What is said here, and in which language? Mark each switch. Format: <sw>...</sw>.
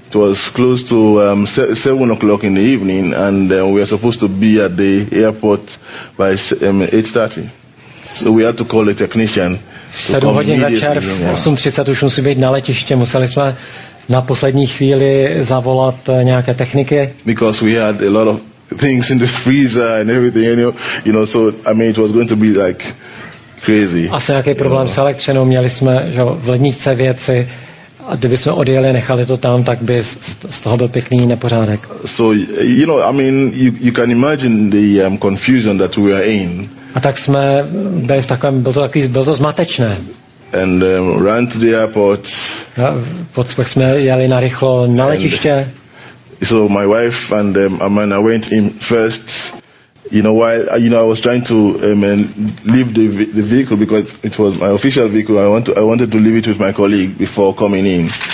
<en>It was close to 7 o'clock in the evening, and we are supposed to be at the airport by 8:30. So we had to call a technician.</en> <cs>7 hodin večer, 8:30 už musí být na letiště. Museli jsme na poslední chvíli zavolat nějaké techniky.</cs> <en>Because we had a lot of things in the freezer and everything, you know, so I mean it was going to be like crazy.</en> <cs>Asi nějaký problém s elektřinou, měli jsme, že v ledničce věci, a kdyby jsme odjeli, nechali to tam, tak by z toho byl pěkný nepořádek.</cs> <en>So you know, I mean you can imagine the confusion that we are in.</en> <cs>A tak jsme byli v takovém, bylo to zmatečné.</cs> <en>And ran to the airport.</en> <cs>A pak jsme jeli narychlo na letiště.</cs> <en>So my wife and Amanda went in first, you know, while I was trying to leave the vehicle, because it was my official vehicle. I wanted to leave it with my colleague before coming in.</en>